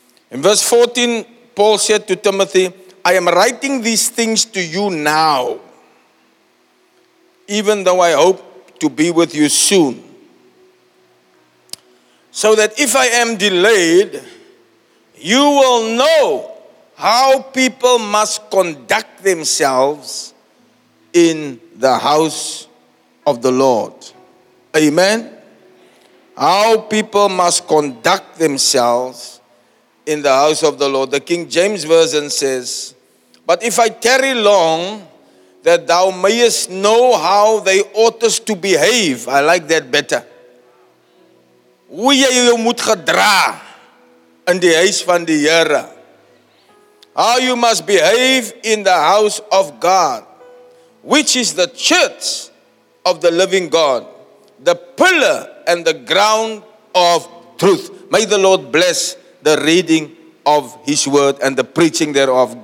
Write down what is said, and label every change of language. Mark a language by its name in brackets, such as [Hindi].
[English] In verse 14, Paul said to Timothy, "I am writing these things to you now, even though I hope to be with you soon, so that if I am delayed, you will know how people must conduct themselves in the house of the Lord." Amen. How people must conduct themselves in the house of the Lord. The King James Version says, "But if I tarry long, that thou mayest know how they oughtest to behave." I like that better. [Afrikaans] Hoe jy jou moet gedra in die huis van die Here. [English] How you must behave in the house of God, which is the church of the living God, the pillar and the ground of truth. May the Lord bless the reading of His word and the preaching thereof.